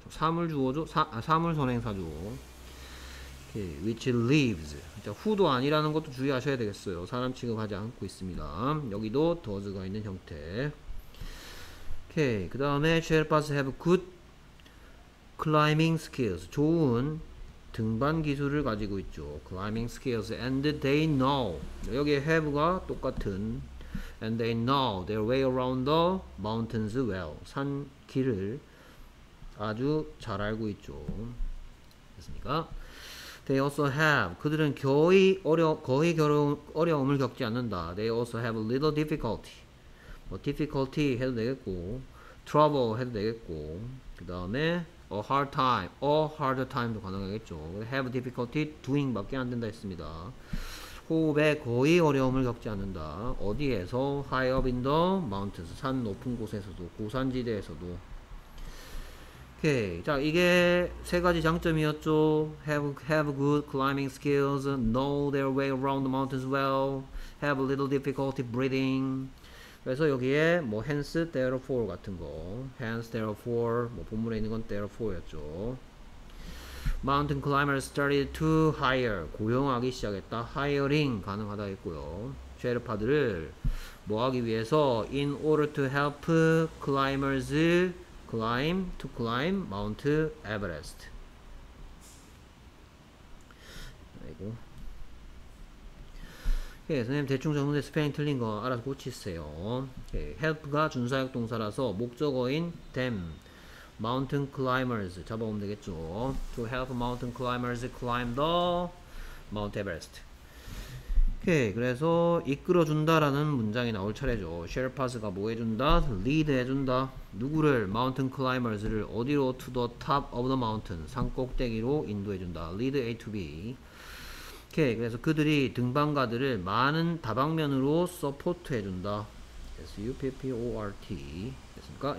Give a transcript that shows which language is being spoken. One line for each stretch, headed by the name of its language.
Korean: 사물 주어죠? 사물 선행사죠.
English: Okay. which lives.
Korean: 자, who도 아니라는 것도 주의하셔야 되겠어요. 사람 취급하지 않고 있습니다. 여기도 does가 있는 형태. Okay.
English: 그 다음에 Sherpas have good climbing skills.
Korean: 좋은 등반 기술을 가지고 있죠.
English: Climbing skills and they know 여기에 have가 똑같은 and they know their way around the mountains well
Korean: 산 길을 아주 잘 알고 있죠. 됐습니까?
English: They also have
Korean: 그들은 거의 어려움을 겪지 않는다.
English: They also have a little difficulty 뭐 difficulty 해도 되겠고 trouble 해도 되겠고 그 다음에 a hard time, a hard time도 가능하겠죠. have difficulty doing
Korean: 밖에 안 된다 했습니다. 호흡에 거의 어려움을 겪지 않는다. 어디에서?
English: high up in the mountains.
Korean: 산 높은 곳에서도, 고산지대에서도.
English: Okay.
Korean: 자, 이게 세 가지 장점이었죠.
English: have good climbing skills, know their way around the mountains well, have a little difficulty breathing.
Korean: 그래서 여기에 뭐
English: hence therefore
Korean: 같은 거 hence therefore 뭐 본문에 있는 건 therefore였죠.
English: Mountain climbers started to hire
Korean: 고용하기 시작했다.
English: hiring
Korean: 가능하다 했고요. 셰르파들을 뭐 하기 위해서
English: in order to help climbers climb Mount Everest.
Korean: 아이고. 예, 선생님 대충 정리해 스페인 틀린 거 알아서 고치세요. 예, help가 준사역 동사라서 목적어인 them, mountain climbers 잡아오면 되겠죠.
English: To help mountain climbers climb the Mount Everest.
Korean: 오케이, 그래서 이끌어준다라는 문장이 나올 차례죠. Sherpas가 뭐 해준다? Lead 해준다. 누구를?
English: Mountain climbers를
Korean: 어디로?
English: To the top of the mountain.
Korean: 산 꼭대기로 인도해준다.
English: Lead A to B.
Korean: 오케이 okay, 그래서 그들이 등반가들을 많은 다방면으로 서포트 해준다 SUPPORT 됐습니까?